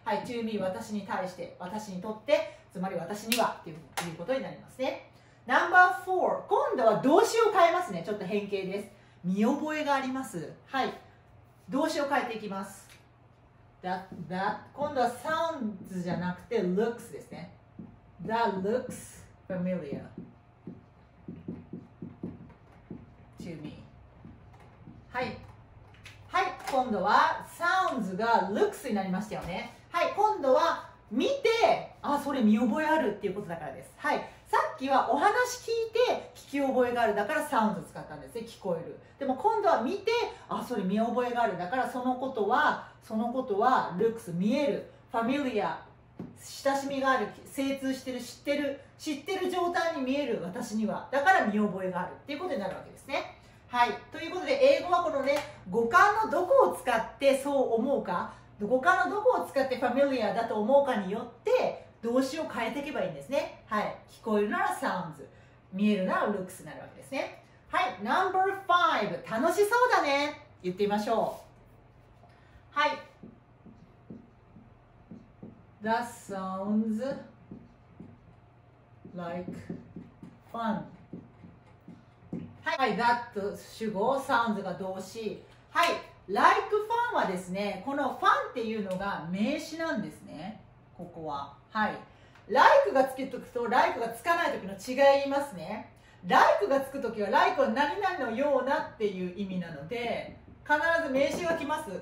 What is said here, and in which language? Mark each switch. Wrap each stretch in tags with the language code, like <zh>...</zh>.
<ja>はい、</ja> <en>to me</en> <ja>私に対して、私にとって、つまり私にはっていうことになりますね。 No.4、 今度は動詞を変えますね。ちょっと変形です。見覚えがあります。はい、動詞を変えていきます。 that 今度は sounds じゃなくて looks ですね。</ja> <en>that looks familiar to me。</en> <ja>はい、はい、今度は sounds が looks になりましたよね。はい、今度は見て、あ、それ見覚えあるっていうことだからです。はい、さっきはお話聞いて聞き覚えがあるだからサウンド使ったんですね、聞こえる。でも今度は見て、あ、それ見覚えがあるだから、そのことはそのことはルックス見える、ファミリア、親しみがある、精通してる、知ってる、知ってる状態に見える、私にはだから見覚えがあるっていうことになるわけですね。はい、ということで英語はこのね、五感のどこを使ってそう思うか、五感のどこを使ってファミリアだと思うかによって動詞を変えていけばいいんですね。はい、聞こえるならサウンズ、見えるならルックスになるわけですね。はい、Number 5、楽しそうだね、言ってみましょう。はい、</ja> <en>That sounds like fun。</en> <ja>はい、はい、That 主語、sounds が動詞。はい、Like fun はですね、この fun っていうのが名詞なんですね。ここは、はい、Like がつけとくと、Like がつかないときの違い言いますね。 Like がつくときは、Like は何々のようなっていう意味なので、必ず名詞が来ます。</ja>